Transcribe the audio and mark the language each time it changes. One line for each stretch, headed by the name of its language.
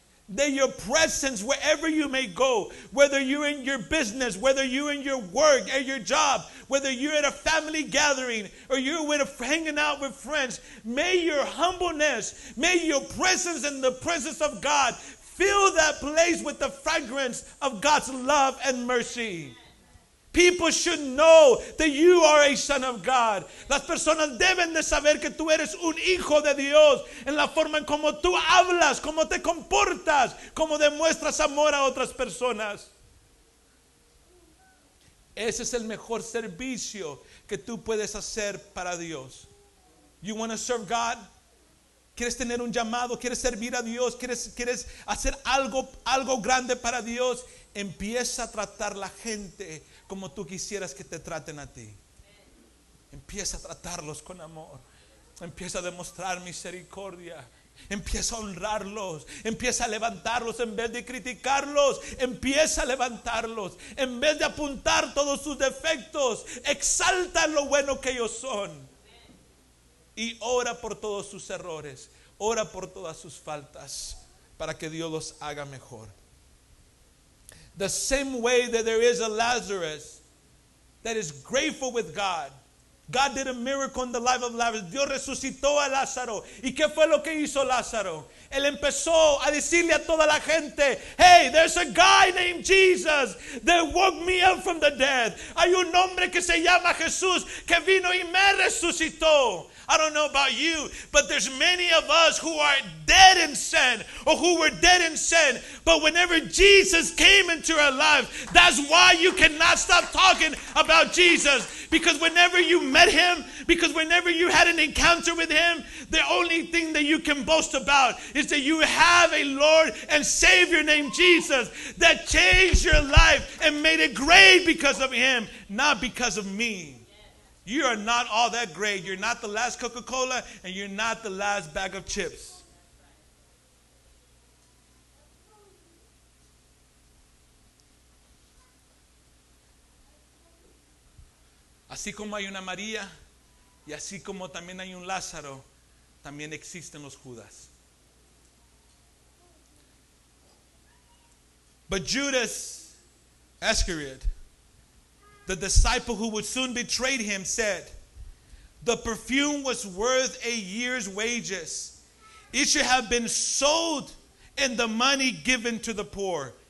English: That your presence, wherever you may go, whether you're in your business, whether you're in your work, at your job, whether you're at a family gathering, or you're hanging out with friends, may your humbleness, may your presence and the presence of God fill that place with the fragrance of God's love and mercy. People should know that you are a son of God.
Spanish: Las personas deben de saber que tú eres un hijo de Dios en la forma en como tú hablas, como te comportas, como demuestras amor a otras personas. Ese es el mejor servicio que tú puedes hacer para Dios.
English: You want to serve God?
Spanish: ¿Quieres tener un llamado? ¿Quieres servir a Dios? ¿Quieres hacer algo grande para Dios? Empieza a tratar la gente como tú quisieras que te traten a ti. Empieza a tratarlos con amor. Empieza a demostrar misericordia. Empieza a honrarlos, empieza a levantarlos en vez de criticarlos, empieza a levantarlos en vez de apuntar todos sus defectos. Exalta lo bueno que ellos son y ora por todos sus errores, ora por todas sus faltas para que Dios los haga mejor.
English: The same way that there is a Lazarus that is grateful with God. God did a miracle in the life of Lazarus.
Spanish: Dios resucitó a Lázaro. ¿Y qué fue lo que hizo Lázaro? Él empezó a decirle a toda la gente,
English: hey, there's a guy named Jesus that woke me up from the dead.
Spanish: Hay un hombre que se llama Jesús que vino y me resucitó.
English: I don't know about you, but there's many of us who are dead in sin, or who were dead in sin, but whenever Jesus came into our lives, that's why you cannot stop talking about Jesus. Because whenever you met him, because whenever you had an encounter with him, the only thing that you can boast about is that you have a Lord and Savior named Jesus that changed your life and made it great because of him, not because of me. You are not all that great. You're not the last Coca-Cola, and you're not the last bag of chips.
Spanish: Así como hay una María, y así como también hay un Lázaro, también existen los Judas.
English: But Judas Iscariot, the disciple who would soon betray him, said, the perfume was worth a year's wages. It should have been sold and the money given to the poor.